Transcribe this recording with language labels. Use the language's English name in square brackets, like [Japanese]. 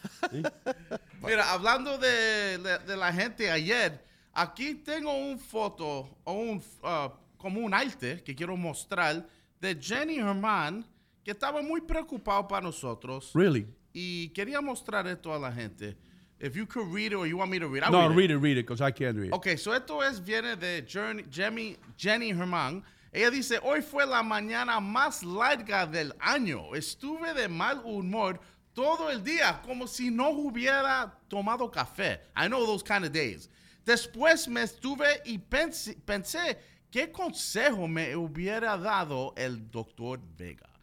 [Spanish] ¿Sí? Mira, hablando de la gente ayer, aquí tengo una foto, o como un arte que quiero mostrar, de Jenny Herman, que estaba muy preocupado para nosotros. [English] Really? [Spanish] Y quería mostrar esto a la gente. [English] If you could read it or you want me to read it. No, read it, because I can't read it. Okay, so [Spanish] esto viene de Jenny Herman. Ella dice, hoy fue la mañana más larga del año. Estuve de mal humor todo el día, como si no hubiera tomado café. [English] I know those kind of days. [Spanish] Después me estuve y pensé qué consejo me hubiera dado el doctor Vega.